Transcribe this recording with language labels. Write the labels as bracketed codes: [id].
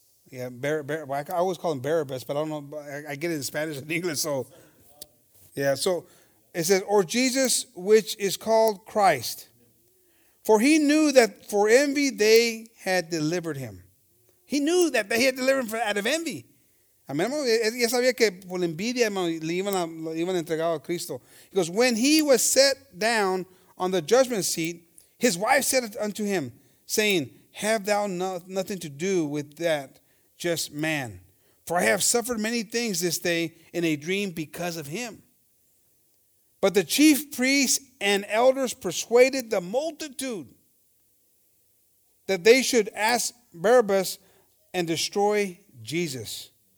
[en] Yeah, I always call him Barabbas, but I don't know, I get it in Spanish and English, so, yeah, so, it says, or Jesus, which is called Christ, for he knew that for envy they had delivered him. He knew that they had delivered him out of envy. [es] Amén, ya sabía que por la envidia le iban a entregar a Cristo. [en] He goes, when he was set down on the judgment seat, his wife said unto him, saying, have thou nothing to do with that just man? For I have suffered many things this day in a dream because of him. But the chief priests and elders persuaded the multitude that they should ask Barabbas and destroy Jesus.